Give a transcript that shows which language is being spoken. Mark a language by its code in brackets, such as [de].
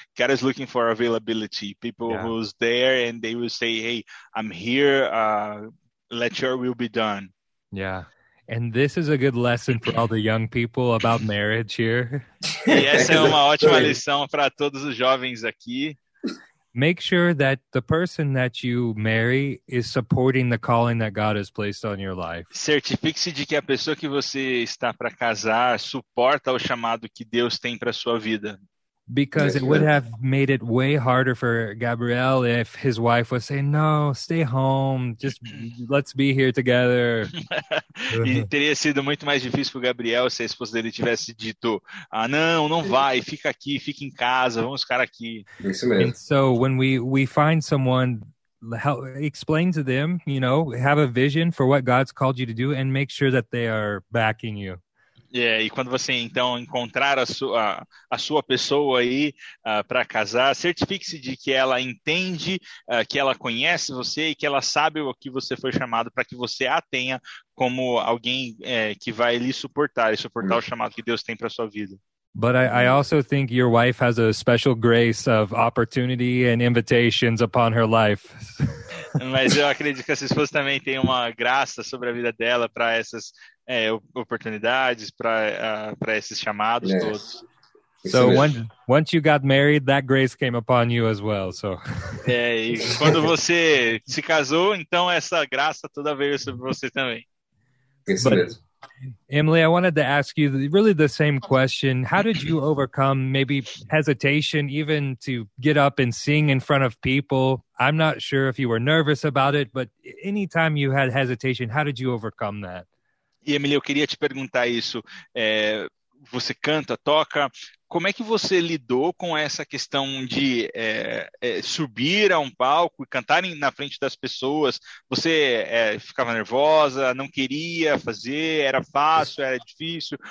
[en] God is looking for availability, people who's there and they will say, "Hey, I'm here. Let your will be done." And this is a good lesson for all the young people about marriage here. [pt] E essa é uma ótima lição para todos os jovens aqui. [en] Make sure that the person that you marry is supporting the calling that God has placed on your life. [pt] Certifique-se de que a pessoa que você está para casar suporta o chamado que Deus tem para sua vida. [en] Because it would have made it way harder for Gabriel if his wife was saying, "No, stay home, just let's be here together." [pt] E teria sido muito mais difícil para o Gabriel se a esposa dele tivesse dito: "Ah, não, não vai, fica aqui, fica em casa, vamos ficar aqui." Isso mesmo. [en] And so when we find someone, help explain to them, have a vision for what God's called you to do and make sure that they are backing you. [pt] E quando você então encontrar a sua pessoa aí para casar, certifique-se de que ela entende, que ela conhece você e que ela sabe o que você foi chamado, para que você a tenha como alguém que vai lhe suportar e suportar o chamado que Deus tem para sua vida. [en] But I also think your wife has a special grace of opportunity and invitations upon her life. [pt] Mas eu acredito que essa esposa também tem uma graça sobre a vida dela para essas oportunidades, para esses chamados todos. [en] So once you got married, that grace came upon you as well, so. [pt] E quando você se casou, então essa graça toda veio sobre você também. Isso mesmo. [en] Emily, I wanted to ask you really the same question. How did you overcome maybe hesitation even to get up and sing in front of people? I'm not sure if you were nervous about it, but anytime you had hesitation, how did you overcome that? [pt] E, Emily, eu queria te perguntar isso. Você canta, toca. Como é que você lidou com essa questão de subir a um palco e cantar na frente das pessoas? Você ficava nervosa, não queria fazer, era fácil, era difícil?